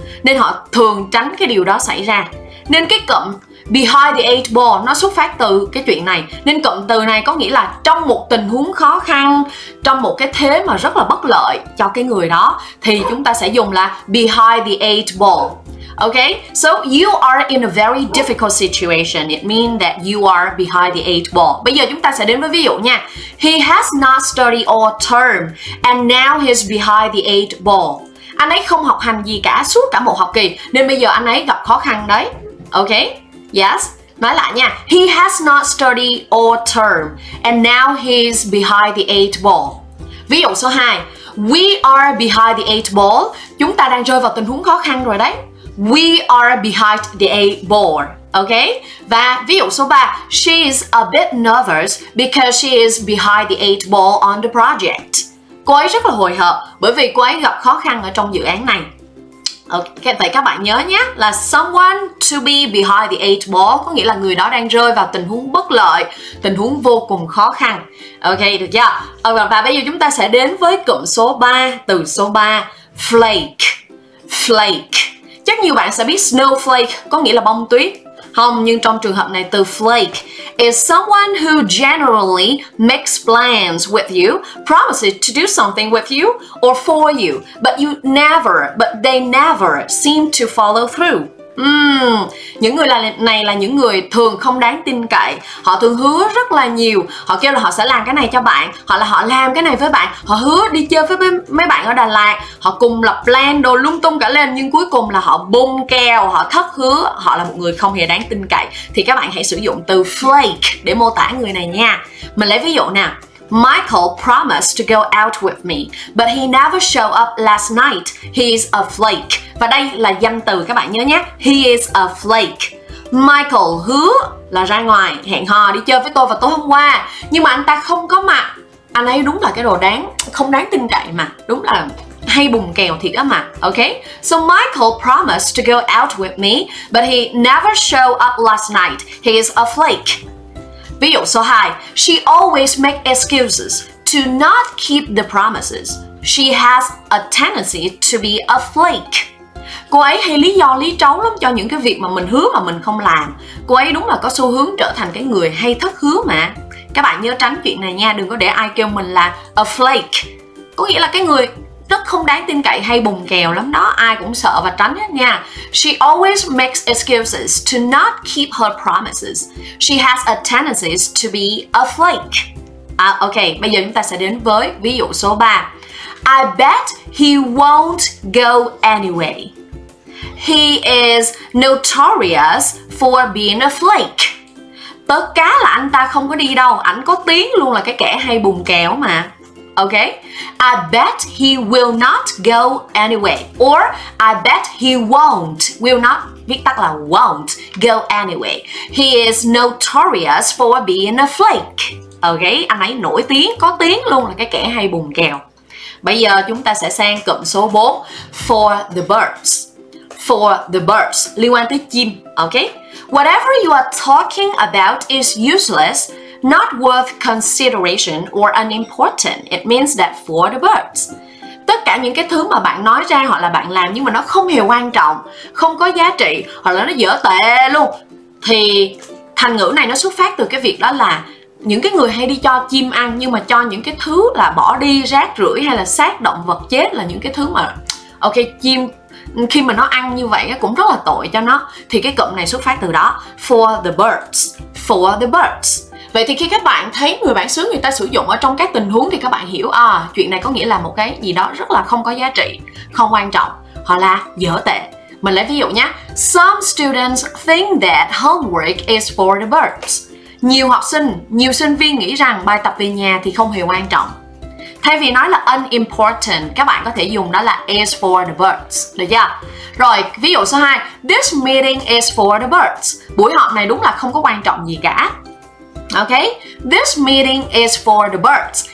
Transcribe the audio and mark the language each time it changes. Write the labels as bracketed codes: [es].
[vi] Nên họ thường tránh cái điều đó xảy ra. Nên cái cụm behind the eight ball nó xuất phát từ cái chuyện này. Nên cụm từ này có nghĩa là trong một tình huống khó khăn, trong một cái thế mà rất là bất lợi cho cái người đó thì chúng ta sẽ dùng là behind the eight ball. [en] Ok, so you are in a very difficult situation. It means that you are behind the eight ball. [vi] Bây giờ chúng ta sẽ đến với ví dụ nha. [en] He has not studied all term and now he's behind the eight ball. [vi] Anh ấy không học hành gì cả suốt cả một học kỳ nên bây giờ anh ấy gặp khó khăn đấy. Ok, yes. Nói lại nha. [en] He has not studied all term and now he's behind the eight ball. [vi] Ví dụ số 2. [en] We are behind the eight ball. [vi] Chúng ta đang rơi vào tình huống khó khăn rồi đấy. [en] We are behind the eight ball. Ok. [vi] Và ví dụ số 3. [en] She is a bit nervous because she is behind the eight ball on the project. [vi] Cô ấy rất là hồi hộp bởi vì cô ấy gặp khó khăn ở trong dự án này. Ok, vậy các bạn nhớ nhé, là [en] someone to be behind the eight ball [vi] có nghĩa là người đó đang rơi vào tình huống bất lợi, tình huống vô cùng khó khăn. Ok, được chưa? Và bây giờ chúng ta sẽ đến với cụm số 3, từ số 3. Flake. Flake. Chắc nhiều bạn sẽ biết snowflake có nghĩa là bông tuyết. Không, nhưng trong trường hợp này từ [en] flake is someone who generally makes plans with you, promises to do something with you or for you, but they never seem to follow through. [vi] Những người này là những người thường không đáng tin cậy. Họ thường hứa rất là nhiều. Họ kêu là họ sẽ làm cái này cho bạn, hoặc là họ làm cái này với bạn. Họ hứa đi chơi với mấy bạn ở Đà Lạt. Họ cùng lập plan đồ lung tung cả lên, nhưng cuối cùng là họ bung keo, họ thất hứa. Họ là một người không hề đáng tin cậy. Thì các bạn hãy sử dụng từ flake để mô tả người này nha. Mình lấy ví dụ nè. [en] Michael promised to go out with me, but he never showed up last night. He is a flake. [vi] Và đây là danh từ, các bạn nhớ nhé. [en] He is a flake. [vi] Michael hứa là ra ngoài, hẹn hò đi chơi với tôi vào tối hôm qua, nhưng mà anh ta không có mặt. Anh ấy đúng là cái đồ đáng, không đáng tin cậy mà. Đúng là hay bùng kèo thiệt á mà. Ok. [en] So Michael promised to go out with me, but he never showed up last night. He is a flake. [vi] Ví dụ số 2. [en] She always makes excuses to not keep the promises. She has a tendency to be a flake. [vi] Cô ấy hay lý do lý trấu lắm cho những cái việc mà mình hứa mà mình không làm. Cô ấy đúng là có xu hướng trở thành cái người hay thất hứa mà. Các bạn nhớ tránh chuyện này nha, đừng có để ai kêu mình là a flake. Có nghĩa là cái người rất không đáng tin cậy hay bùng kèo lắm đó, ai cũng sợ và tránh hết nha. [en] She always makes excuses to not keep her promises. She has a tendency to be a flake. [vi] Ok, bây giờ chúng ta sẽ đến với ví dụ số 3. [en] I bet he won't go anyway. He is notorious for being a flake. [vi] Tớ cá là anh ta không có đi đâu, ảnh có tiếng luôn là cái kẻ hay bùng kèo mà. [en] Ok, I bet he will not go anyway. Or I bet he won't, will not, [vi] viết tắt là [en] won't go anyway. He is notorious for being a flake. [vi] Ok, anh ấy nổi tiếng, có tiếng luôn là cái kẻ hay bùng kèo. Bây giờ chúng ta sẽ sang cụm số 4. For the birds. For the birds, liên quan tới chim. [en] Ok, whatever you are talking about is useless, not worth consideration or unimportant. It means that for the birds. [vi] Tất cả những cái thứ mà bạn nói ra hoặc là bạn làm nhưng mà nó không hề quan trọng, không có giá trị, hoặc là nó dở tệ luôn, thì thành ngữ này nó xuất phát từ cái việc đó là những cái người hay đi cho chim ăn, nhưng mà cho những cái thứ là bỏ đi, rác rưởi hay là xác động vật chết, là những cái thứ mà ok, chim khi mà nó ăn như vậy cũng rất là tội cho nó. Thì cái cụm này xuất phát từ đó. For the birds. For the birds. Vậy thì khi các bạn thấy người bản xứ người ta sử dụng ở trong các tình huống thì các bạn hiểu chuyện này có nghĩa là một cái gì đó rất là không có giá trị, không quan trọng, hoặc là dở tệ. Mình lấy ví dụ nhé. [en] Some students think that homework is for the birds. [vi] Nhiều học sinh, nhiều sinh viên nghĩ rằng bài tập về nhà thì không hề quan trọng. Thay vì nói là unimportant, các bạn có thể dùng đó là is for the birds. Được chưa? Rồi, ví dụ số 2. [en] This meeting is for the birds. [vi] Buổi họp này đúng là không có quan trọng gì cả. [en] Okay, this meeting is for the birds.